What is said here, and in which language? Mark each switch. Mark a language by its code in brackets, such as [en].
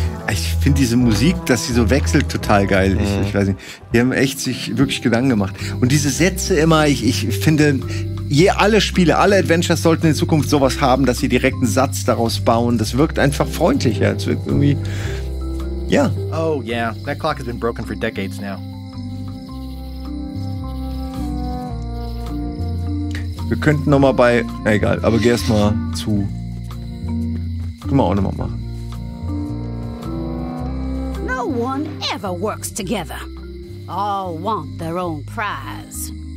[de] Ich finde diese Musik, dass sie so wechselt, total geil. Ich weiß nicht. Die haben echt sich wirklich Gedanken gemacht. Und diese Sätze immer, ich finde, alle Spiele, alle Adventures sollten in Zukunft sowas haben, dass sie direkt einen Satz daraus bauen. Das wirkt einfach freundlicher. Es wirkt irgendwie, ja. [en] Oh yeah, that clock has been broken for decades now. [de] Wir könnten noch mal bei, na egal, aber geh erst mal zu. Können wir auch noch mal machen. [en] No one ever works together. All want their own prize.